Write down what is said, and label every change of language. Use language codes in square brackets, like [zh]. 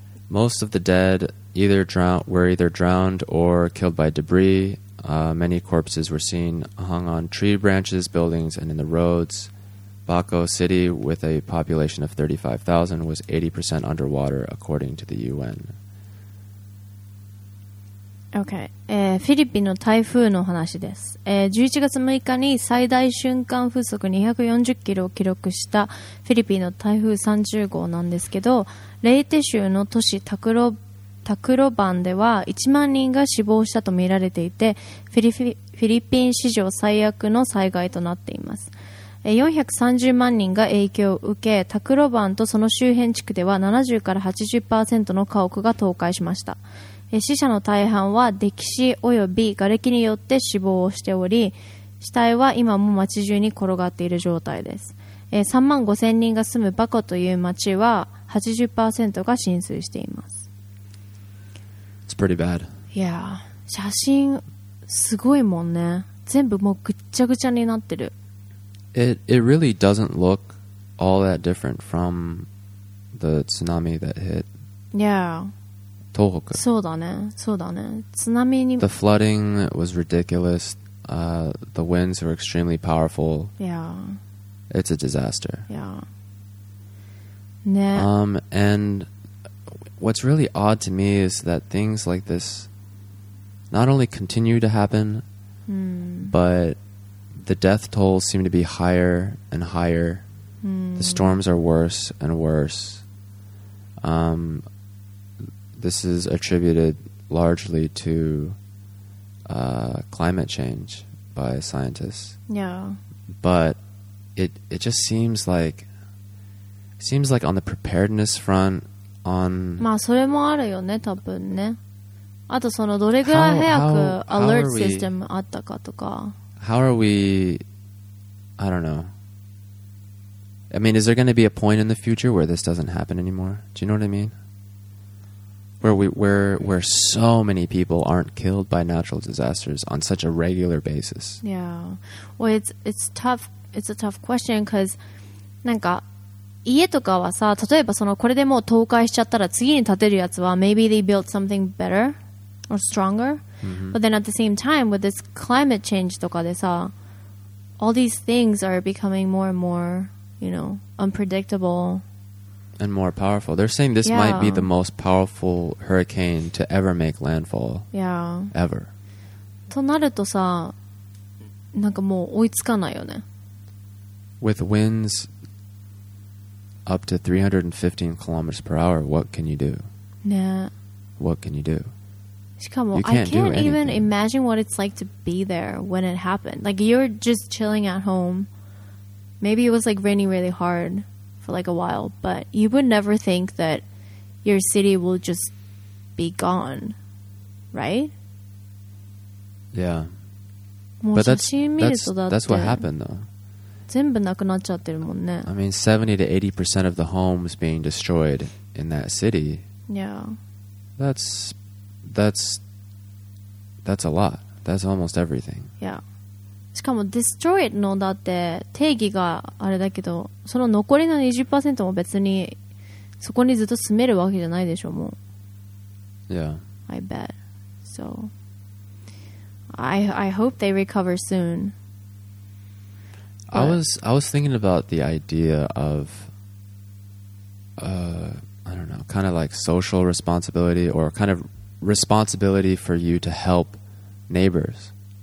[en] Most of the dead were either drowned or killed by debris. Many corpses were seen hung on tree branches, buildings, and in the roads. Baco City, with a population of 35,000, was 80% underwater, according to the UN. Okay. [ja] フィリピンの台風の話です。11月6日に最大瞬間風速240キロを記録したフィリピンの台風30号なんですけど、レイテ州の都市タクロバンでは1万人が死亡したとみられていて、フィリピン史上最悪の災害となっています。 430万人が影響を受け、タクロバンとその周辺地区では 70-80% の家屋が倒壊しました。死者の大半は溺死及び瓦礫によって死亡をしており、死体は今も町中に転がっている状態です。 3万5000人が住むバコという町は 80% が浸水しています。 [en] It's pretty bad. [ja] Yeah. 写真すごいもんね。全部もうぐっちゃぐちゃになってる。 [en] It really doesn't look all that different from the tsunami that hit yeah. [ja] 東北。そうだね、そうだね。津波に。 [en] The flooding was ridiculous. The winds were extremely powerful. Yeah. It's a disaster. Yeah. ね。 And what's really odd to me is that things like this not only continue to happen,、 mm. but the death tolls seem to be higher and higher.、 Mm. The storms are worse and worse. This is attributed largely to、climate change by scientists. Yeah. But it just seems like on the preparedness front, on... [ja] まあそれもあるよね、多分ね。あとそのどれぐらい早くalert systemあったかとか。 [en] How are we... I don't know. I mean, is there going to be a point in the future where this doesn't happen anymore? Do you know what I mean? Where so many people aren't killed by natural disasters on such a regular basis. Yeah. Well, it's a tough question because, [ja] なんか家とかはさ、例えばそのこれでもう倒壊しちゃったら次に建てるやつは [en] maybe they built something better or stronger.、 Mm-hmm. But then at the same time, with this climate change [ja] とかでさ、 [en] all these things are becoming more and more, you know, unpredictable. And more powerful. They're saying this、yeah. might be the most powerful hurricane to ever make landfall. Yeah. Ever. [ja] となるとさ、なんかもう追いつかないよね。 [en] With winds up to 315 kilometers per hour, what can you do? [ja] ね。 [en] What can you do? [ja] しかも、 [en] I can't even imagine what it's like to be there when it happened. Like, you're just chilling at home. Maybe it was like raining really hard. For like a while, but you would never think that your city will just be gone, right? Yeah. But that's what happened, though. [ja] 全部なくなっちゃってるもんね。 [en] I mean, 70 to 80% of the homes being destroyed in that city. Yeah. That's a lot. That's almost everything. Yeah. [ja] しかも destroyed のだって定義があれだけどその残りの 20% も別にそこにずっと住めるわけじゃないでしょうもう [en] Yeah I bet So I hope they recover soon、 But、I was thinking about the idea of、I don't know kind of like social responsibility or kind of responsibility for you to help neighbors、